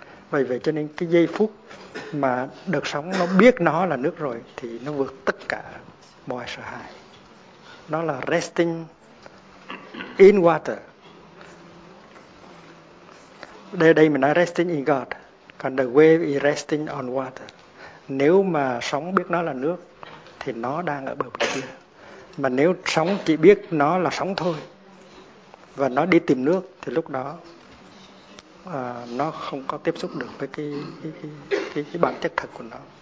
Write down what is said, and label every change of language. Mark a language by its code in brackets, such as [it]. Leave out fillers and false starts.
[vi] Vậy vậy cho nên cái giây phút mà được sống nó biết nó là nước rồi thì nó vượt tất cả mọi sợ hãi. Nó là [en] resting in water. [vi] Đây mình nói [en] resting in God. [vi] Còn [en] the wave is resting on water. [vi] Nếu mà sống biết nó là nước thì nó đang ở bờ bên kia. Mà nếu sống chỉ biết nó là sống thôi và nó đi tìm nước thì lúc đó nó không có tiếp xúc được với cái bản chất thật của nó.